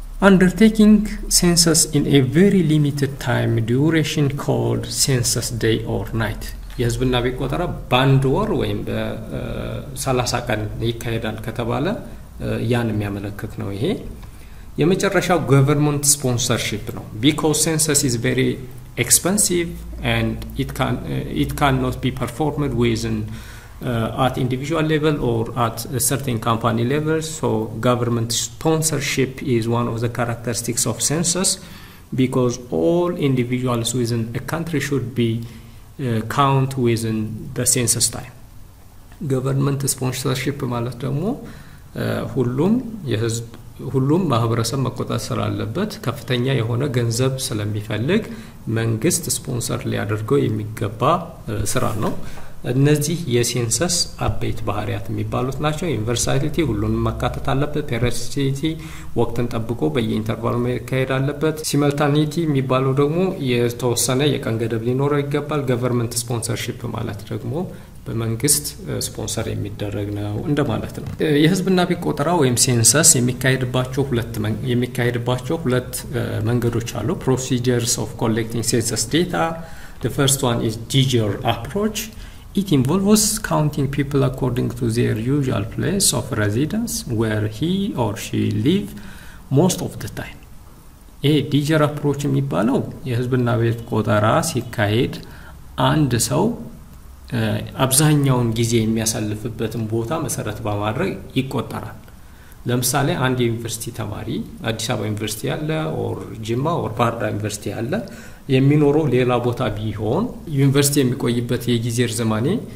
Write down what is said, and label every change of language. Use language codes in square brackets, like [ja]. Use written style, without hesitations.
[en] undertaking census in a very limited time duration called census day or night. [am] የህዝብና ቢቆጠራ ባንድ ወር ወይም በ30 ቀን ይካሄዳል ከተባለ ያን የሚያመለክት ነው። ይሄ የመጨረሻው government sponsorship ነው. [en] Because census is very expensive and it cannot be performed within at individual level or at a certain company level, so government sponsorship is one of the characteristics of census, because all individuals within a country should be count within the census time. [am] Government sponsorship ማለት ደግሞ ሁሉም የህዝብ ሁሉም ማህበረሰብ መቆጣጠር አለበት። ከፍተኛ የሆነ ገንዘብ ስለሚፈልግ መንግስት ስፖንሰር ሊያደርገው የሚገባ ስራ ነው። እነዚህ የሴንሰስ አፕዴት ባህሪያት የሚባሉት ናቸው። ዩኒቨርሳሊቲ ሁሉንም መካተት አለበት። periodicity ወቅቱን ጠብቆ በየኢንተርቫል መካሄድ አለበት። simultaneity የሚባለው ደግሞ የተወሰነ የቀን ገደብ ሊኖረው ይገባል። government sponsorship ማለት ደግሞ በመንግስት ስፖንሰር የሚደረግ ነው እንደማለት ነው። የህዝብና ቢቆጠራ ወይም ሴንሰስ የሚካሄድባቸው ሁለት መንገዶች አሉ። [en] procedures of collecting census data. The first one is digital approach. It involves counting people according to their usual place of residence where he or she live most of the time. [am] A digital approach የሚባለው የህዝብና ቢቆጠራ ሲካሄድ አንድ ሰው አብዛኛውን ጊዜ የሚያሳልፍበትን ቦታ መሰረት በማድረግ ይቆጠራል። ለምሳሌ አንድ ዩኒቨርሲቲ ተማሪ አዲስ አበባ ዩኒቨርሲቲ አለ ኦር ጅማ ኦር ባህር ዳር ዩኒቨርሲቲ አለ የሚኖረው ሌላ ቦታ ቢሆን ዩኒቨርሲቲ የሚቆይበት የጊዜ ርዝማኔ